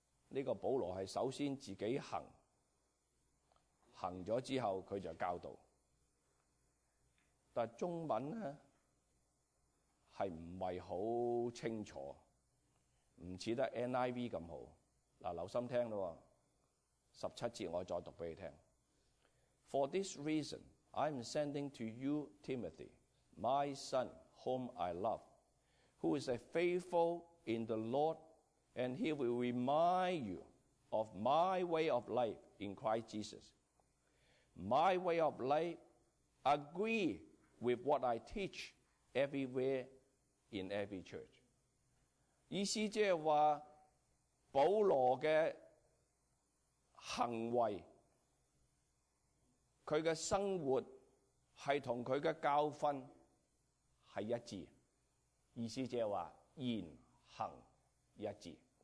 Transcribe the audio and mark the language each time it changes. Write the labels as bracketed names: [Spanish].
[Chinese] 这个保罗是首先自己行了之后他就教导。但中文呢是不是很清楚，不像得 NIV 那么好。留心听了，十七节我再读给你听。 [English] For this reason, I am sending to you Timothy,My son, whom I love, who is faithful in the Lord, and he will remind you of my way of life in Christ Jesus. My way of life agree with what I teach everywhere in every church. [Chinese] 意思即是说，保罗的行为，他的生活是跟他的教训是一致，意思就是说言行一致。